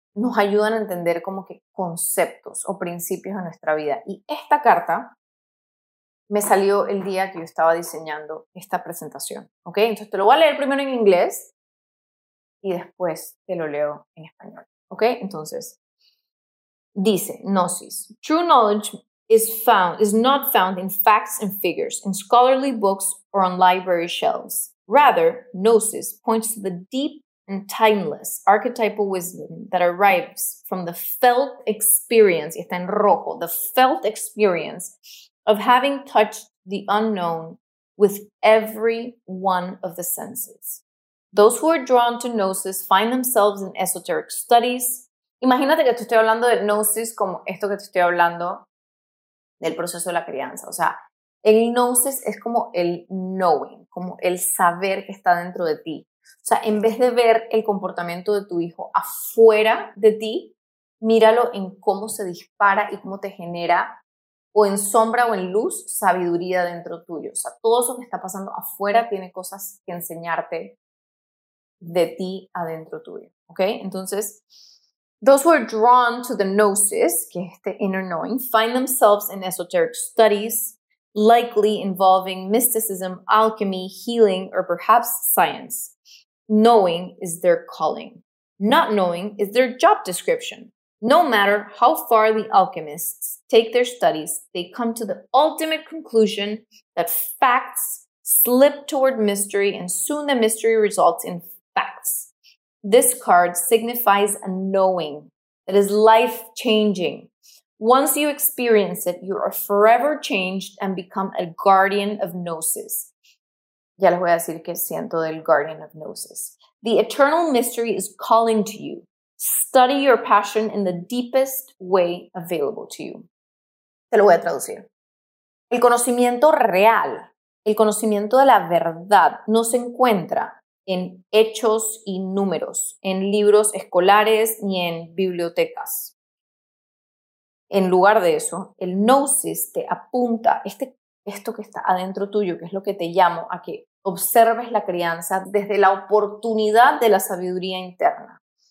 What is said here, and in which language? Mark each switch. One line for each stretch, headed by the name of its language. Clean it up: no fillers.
Spanish: nos ayudan a entender como que conceptos o principios de nuestra vida. Y esta carta me salió el día que yo estaba diseñando esta presentación. ¿Ok? Entonces te lo voy a leer primero en inglés y después te lo leo en español. ¿Ok? Entonces, dice, Gnosis.
English: True knowledge is not found in facts and figures, in scholarly books or on library shelves. Rather, Gnosis points to the deep and timeless archetypal wisdom that arrives from the felt experience, y está en rojo, the felt experience of having touched the unknown with every one of the senses. Those who are drawn to Gnosis find themselves in esoteric studies.
Spanish: Imagínate que te estoy hablando de Gnosis como esto que te estoy hablando del proceso de la crianza. O sea, el Gnosis es como el knowing, como el saber que está dentro de ti. O sea, en vez de ver el comportamiento de tu hijo afuera de ti, míralo en cómo se dispara y cómo te genera, o en sombra o en luz, sabiduría dentro tuyo. O sea, todo eso que está pasando afuera tiene cosas que enseñarte de ti adentro tuyo. ¿Ok?
English: Entonces, those who are drawn to the Gnosis, que es este inner knowing, find themselves in esoteric studies, likely involving mysticism, alchemy, healing, or perhaps science. Knowing is their calling. Not knowing is their job description. No matter how far the alchemists take their studies, they come to the ultimate conclusion that facts slip toward mystery, and soon the mystery results in facts. This card signifies a knowing that is life-changing. Once you experience it, you are forever changed and become a guardian of Gnosis.
Spanish: Ya les voy a decir qué siento del Guardian of Gnosis.
English: The eternal mystery is calling to you. Study your passion in the deepest way available to you.
Spanish: Te lo voy a traducir. El conocimiento real, el conocimiento de la verdad, no se encuentra en hechos y números, en libros escolares ni en bibliotecas. En lugar de eso, el Gnosis te apunta esto que está adentro tuyo, que es lo que te llamo a que observes la crianza desde la oportunidad de la sabiduría interna.